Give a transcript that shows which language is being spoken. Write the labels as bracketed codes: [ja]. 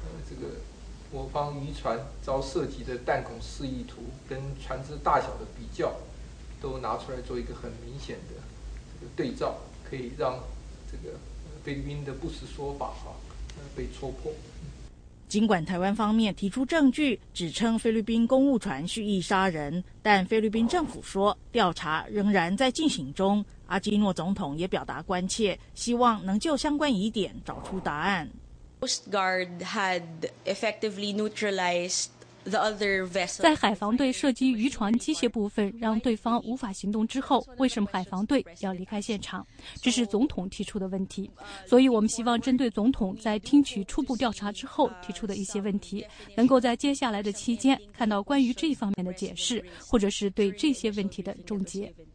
[zh] 这个我方渔船遭射击的弹孔示意图跟船只大小的比较都拿出来做一个很明显的这个对照，可以让这个菲律宾的不实说法被戳破。尽管台湾方面提出证据指称菲律宾公务船蓄意杀人，但菲律宾政府说调查仍然在进行中。阿基诺总统也表达关切，希望能就相关疑点找出答案。 [en] Coast Guard had effectively neutralized the other vessel. [zh] 在海防队射击渔船机械部分让对方无法行动之后，为什么海防队要离开现场？这是总统提出的问题，所以我们希望针对总统在听取初步调查之后提出的一些问题，能够在接下来的期间看到关于这方面的解释，或者是对这些问题的终结。